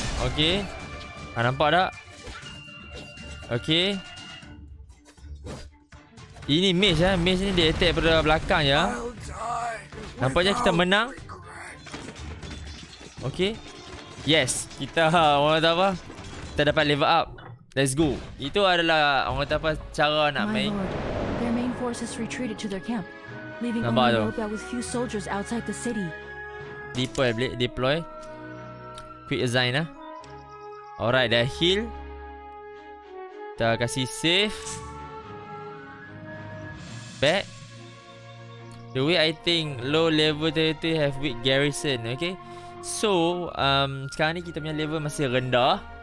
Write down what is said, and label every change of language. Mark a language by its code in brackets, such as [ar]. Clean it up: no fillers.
[ms] Okay, ha, nampak tak? Okay, ini mage lah. Mage ni dia attack pada belakang ya. Nampaknya kita menang. Okay, yes, kita orang kata apa, kita dapat level up. [en] Let's go. [ms] Itu adalah orang kata apa cara nak main. [en] Their main forces retreated to their camp, leaving only Nobel with few soldiers outside the city. Deploy. Quick assign lah. Alright, dah heal. [ms] Kita kasih save. [en] Back. The way I think low level 30 have weak garrison, okay? [ms] So, sekarang ni kita punya level masih rendah.